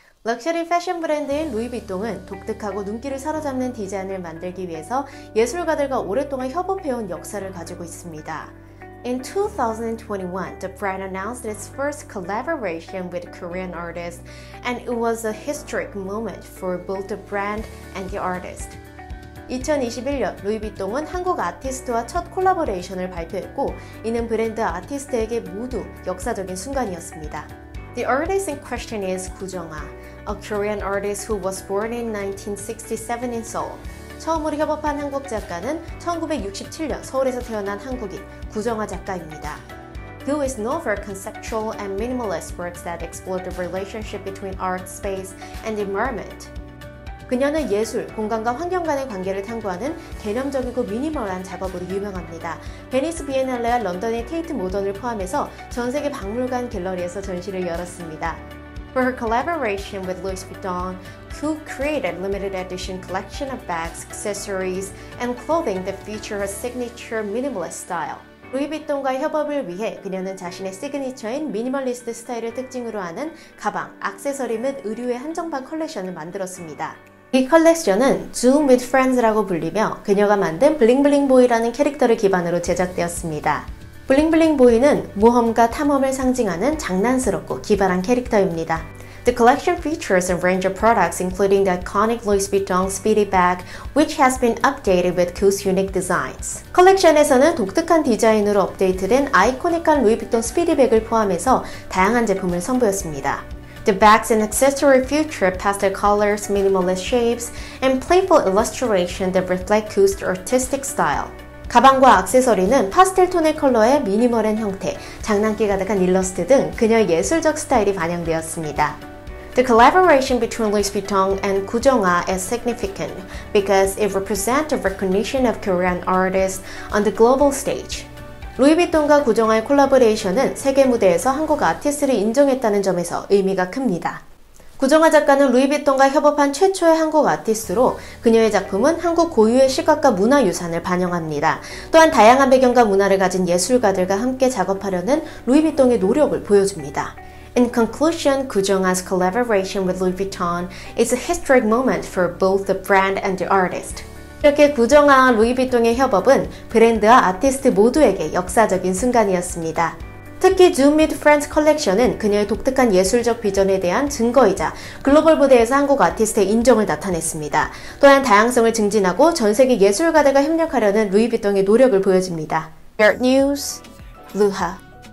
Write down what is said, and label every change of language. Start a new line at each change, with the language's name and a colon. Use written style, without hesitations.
Korean: 럭셔리 패션 브랜드인 루이비통은 독특하고 눈길을 사로잡는 디자인을 만들기 위해서 예술가들과 오랫동안 협업해온 역사를 가지고 있습니다.
English: In 2021, the brand announced its first collaboration with Korean artists, and it was a historic moment for both the brand and the artist.
Korean: 2021년 루이비통은 한국 아티스트와 첫 콜라보레이션을 발표했고, 이는 브랜드 아티스트에게 모두 역사적인 순간이었습니다.
English: The artist in question is 구정아, a Korean artist who was born in 1967 in Seoul.
Korean: 처음으로 협업한 한국 작가는 1967년 서울에서 태어난 한국인 구정아 작가입니다.
English: Who is known for conceptual and minimalist works that explore the relationship between art, space, and environment.
Korean: 그녀는 예술, 공간과 환경 간의 관계를 탐구하는 개념적이고 미니멀한 작업으로 유명합니다. 베니스 비엔날레와 런던의 테이트 모던을 포함해서 전 세계 박물관 갤러리에서 전시를 열었습니다.
English: For her collaboration with Louis Vuitton, Ku created a limited edition collection of bags, accessories, and clothing that feature her signature minimalist style.
Korean: 루이비통과 협업을 위해 그녀는 자신의 시그니처인 미니멀리스트 스타일을 특징으로 하는 가방, 액세서리 및 의류의 한정판 컬렉션을 만들었습니다. 이 컬렉션은 Zoom with Friends라고 불리며 그녀가 만든 블링블링보이라는 캐릭터를 기반으로 제작되었습니다. 블링블링보이는 모험과 탐험을 상징하는 장난스럽고 기발한 캐릭터입니다.
English: The collection features a range of products, including the iconic Louis Vuitton Speedy Bag, which has been updated with Ku's unique designs.
Korean: 컬렉션에서는 독특한 디자인으로 업데이트된 아이코닉한 루이비통 스피디백을 포함해서 다양한 제품을 선보였습니다.
English: The bags and accessories feature pastel colors, minimalist shapes, and playful illustrations that reflect Ku's artistic style.
Korean: 가방과 액세서리는 파스텔 톤의 컬러에 미니멀한 형태, 장난기 가득한 일러스트 등 그녀의 예술적 스타일이 반영되었습니다.
English: The collaboration between Louis Vuitton and 구정아 is significant because it represents the recognition of Korean artists on the global stage.
Korean: 루이비통과 구정아의 콜라보레이션은 세계 무대에서 한국 아티스트를 인정했다는 점에서 의미가 큽니다. 구정아 작가는 루이비통과 협업한 최초의 한국 아티스트로 그녀의 작품은 한국 고유의 시각과 문화 유산을 반영합니다. 또한 다양한 배경과 문화를 가진 예술가들과 함께 작업하려는 루이비통의 노력을 보여줍니다.
English: In conclusion, 구정아's collaboration with Louis Vuitton is a historic moment for both the brand and the artist.
Korean: 이렇게 구정아와 루이비통의 협업은 브랜드와 아티스트 모두에게 역사적인 순간이었습니다. 특히 Zoom with Friends 컬렉션은 그녀의 독특한 예술적 비전에 대한 증거이자 글로벌 무대에서 한국 아티스트의 인정을 나타냈습니다. 또한 다양성을 증진하고 전 세계 예술가들과 협력하려는 루이비통의 노력을 보여줍니다. 뉴스 루하.